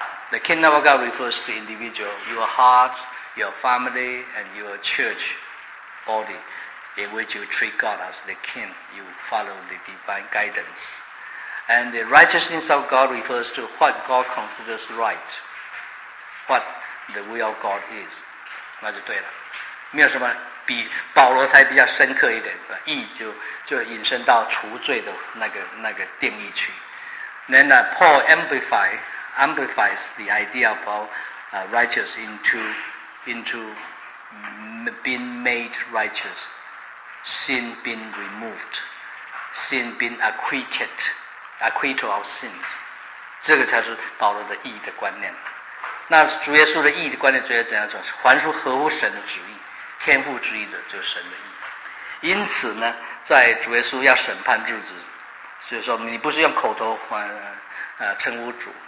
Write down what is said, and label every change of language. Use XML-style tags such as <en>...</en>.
<en>The kingdom of God refers to individual, your heart, your family, and your church body, in which you treat God as the king, you follow the divine guidance. And the righteousness of God refers to what God considers right, what the will of God is.</en> <zh>那就对了，没有什么比保罗才比较深刻一点，义就引申到除罪的那个定义去。</zh> <en>Then Paul amplifies the idea of righteous into being made righteous, sin being removed, sin being acquitted of sins.</en> <zh>这个才是保罗的义的观念。那主耶稣的义的观念主要怎样讲？凡是合乎神的旨意、天父旨意的，就是神的义。因此呢，在主耶稣要审判日子，就是说你不是用口头称呼主。</zh>